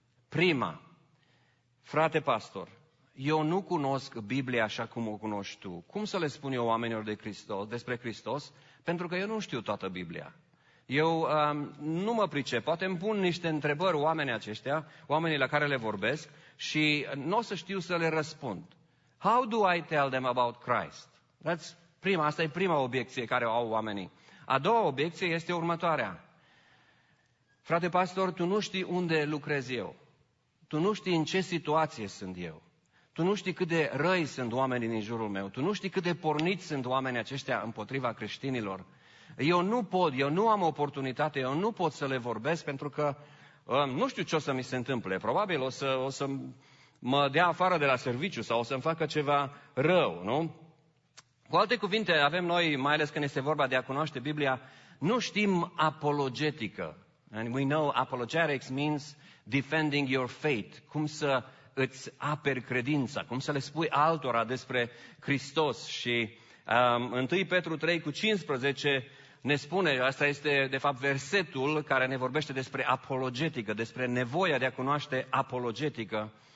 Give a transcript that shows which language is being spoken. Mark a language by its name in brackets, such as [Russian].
[Romanian] Prima, frate pastor, eu nu cunosc Biblia așa cum o cunoști tu. Cum să le spun eu oamenilor despre Hristos? Pentru că eu nu știu toată Biblia. Eu nu mă pricep, poate îmi pun niște întrebări oamenii aceștia, oamenii la care le vorbesc, și nu o să știu să le răspund. [English] How do I tell them about Christ? [Romanian] Asta e prima obiecție care o au oamenii. A doua obiecție este următoarea. Frate pastor, tu nu știi unde lucrez eu. Tu nu știi în ce situație sunt eu. Tu nu știi cât de răi sunt oamenii din jurul meu. Tu nu știi cât de porniți sunt oamenii aceștia împotriva creștinilor. Eu nu pot, eu nu am oportunitate, eu nu pot să le vorbesc pentru că nu știu ce o să mi se întâmple. Probabil o să mă dea afară de la serviciu sau o să-mi facă ceva rău, nu? Cu alte cuvinte, avem noi, mai ales când este vorba de a cunoaște Biblia, nu știm apologetică. [English] And we know apologetics means defending your faith. [Romanian] Cum să îți aperi credința, cum să le spui altora despre Hristos. Și 1 Petru 3:15 ne spune, asta este de fapt versetul care ne vorbește despre apologetică, despre nevoia de a cunoaște apologetică.